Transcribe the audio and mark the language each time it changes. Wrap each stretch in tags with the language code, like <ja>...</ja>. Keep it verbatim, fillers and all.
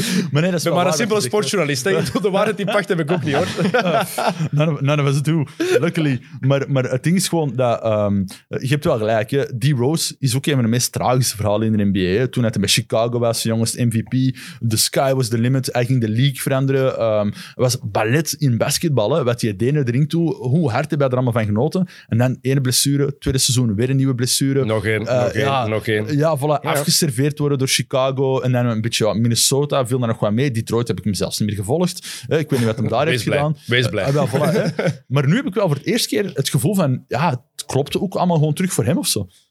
<nl>Maar nee, dat is wel maar een simpele sportjournalist. De waarheid die pacht heb ik ook niet, hoor.</nl> <en>none, of, none of us do. Luckily.</en> <nl>Maar, maar het ding is gewoon dat... Um, je hebt wel gelijk, hè. D-Rose is ook een van de meest tragische verhalen in de N B A. Hè. Toen hij bij Chicago was, jongens, M V P.</nl> <en>The sky was the limit.</en> <nl>Hij ging de league veranderen. Um, was ballet in basketbal. Hè. Wat hij deed naar de ring toe. Hoe hard hij er allemaal van genoten. En dan één blessure. Tweede seizoen weer een nieuwe blessure. Nog één, uh, nog één, ja, nog één. Ja, voilà, ja. Afgeserveerd worden door Chicago en dan een beetje ja, Minnesota, viel daar nog wat mee. Detroit heb ik hem zelfs niet meer gevolgd. Ik weet niet wat hem daar heeft blij. gedaan. Wees blij. Uh, wel, voilà, maar nu heb ik wel voor het eerst keer het gevoel van, ja, het klopte ook allemaal gewoon terug voor hem of zo.</nl>